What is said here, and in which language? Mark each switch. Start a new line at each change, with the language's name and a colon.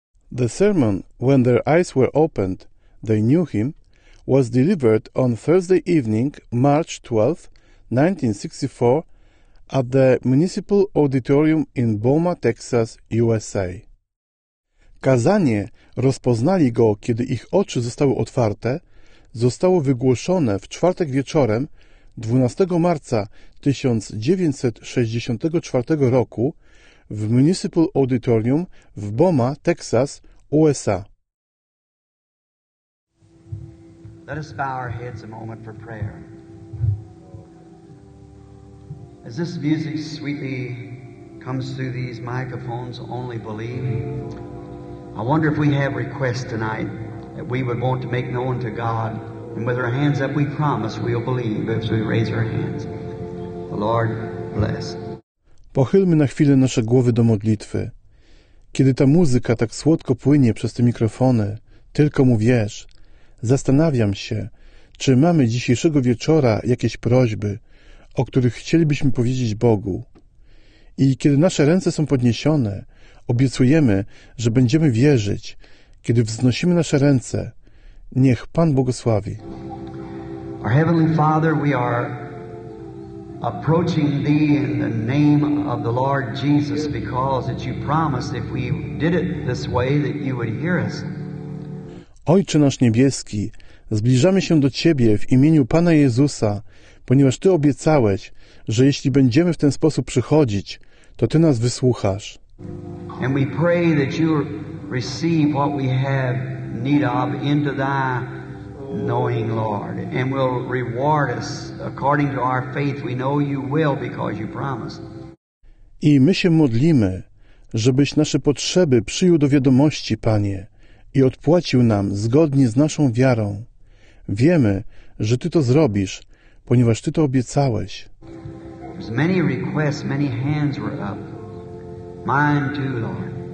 English: The sermon, When Their Eyes Were Opened, They Knew Him, was delivered on Thursday evening, March 12, 1964, at the Municipal Auditorium in Beaumont, Texas, USA.
Polish: Kazanie rozpoznali go, kiedy ich oczy zostały otwarte, zostało wygłoszone w czwartek wieczorem 12 marca 1964 roku w Municipal Auditorium w Beaumont, Texas, USA.
English: Let us bow our heads a moment for prayer. As this music sweetly comes through these microphones, only believe. I wonder if we have requests tonight that we would want to make known to God. And with our hands up, we promise we'll believe as we raise our hands. The Lord bless.
Polish: Pochylmy na chwilę nasze głowy do modlitwy. Kiedy ta muzyka tak słodko płynie przez te mikrofony, tylko mu wierz. Zastanawiam się, czy mamy dzisiejszego wieczora jakieś prośby, o których chcielibyśmy powiedzieć Bogu. I kiedy nasze ręce są podniesione, obiecujemy, że będziemy wierzyć. Kiedy wznosimy nasze ręce, niech Pan błogosławi.
English: Our Heavenly Father, we are approaching Thee in the name of the Lord Jesus, because that You promised if we did it this way that You would hear us.
Polish: Ojcze nasz niebieski, zbliżamy się do Ciebie w imieniu Pana Jezusa, ponieważ Ty obiecałeś, że jeśli będziemy w ten sposób przychodzić, to Ty nas wysłuchasz.
English: And we pray that You receive what we have need of into Thy knowing, Lord, and will reward us according to our faith. We know You will, because You promised.
Polish: I my się modlimy, żebyś nasze potrzeby przyjął do wiadomości, Panie, i odpłacił nam zgodnie z naszą wiarą. Wiemy, że Ty to zrobisz, ponieważ Ty to obiecałeś.
English: There's many requests, many hands were up. Mine too, Lord.